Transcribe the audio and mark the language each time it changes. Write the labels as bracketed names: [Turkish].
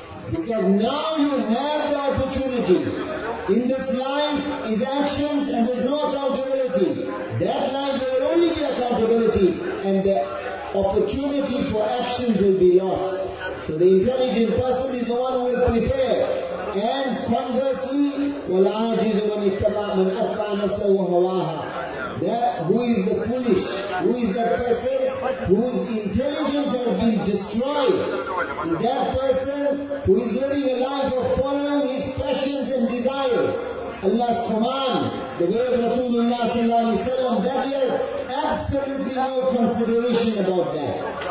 [English] Because now you have the opportunity. In this life is actions and there's no accountability. That life there will only be accountability and the opportunity for actions will be lost. So the intelligent person is the one who will prepare. And conversely, [Arabic] وَالْعَاجِزُ مَنْ اِتَّبَعْ مَنْ أَبْقَى نَفْسَهُ هَوَاهَا. [English] Who is the foolish? Who is that person whose intelligence has been destroyed? Is that person who is living a life of following his passions and desires? Allah's command, the way of Rasulullah sallallahu alayhi wa sallam, that he has absolutely no consideration about that.